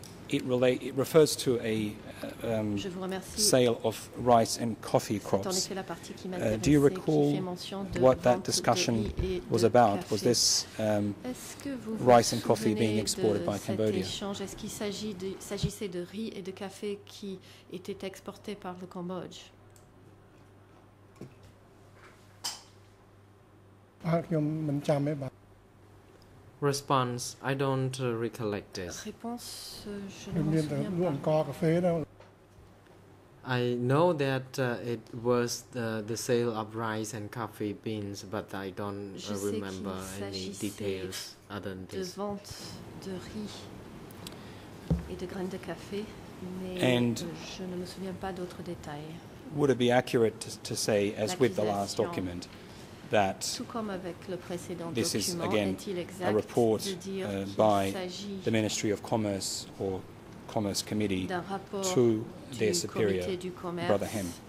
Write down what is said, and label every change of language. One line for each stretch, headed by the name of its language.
English: It refers to a sale of rice and coffee crops. Do you recall what that discussion was about? Was this rice and coffee being exported by Cambodia?
French: Est-ce qu'il s'agissait de riz et de café qui étaient exportés par le Cambodge?
English: Response, I don't recollect it. I know that it was the sale of rice and coffee beans, but I don't remember any details other than this.
French: De vente de riz et de graines de café, mais
English: and
French: je ne me souviens pas d'autres détails.
English: Would it be accurate to say, as with the last document, that this is again a report by the Ministry of Commerce or Commerce Committee to their superior, Brother Hem?